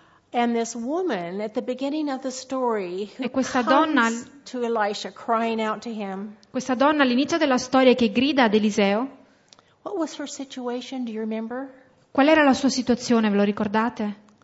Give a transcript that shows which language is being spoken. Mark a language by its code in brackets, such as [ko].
[en] And this woman at the beginning of the story, [it] e questa donna, [en] to Elisha, crying out to him, [it] questa donna all'inizio della storia che grida ad Eliseo. [en] What was her situation, do you remember? [it] Qual era la sua situazione, ve lo ricordate?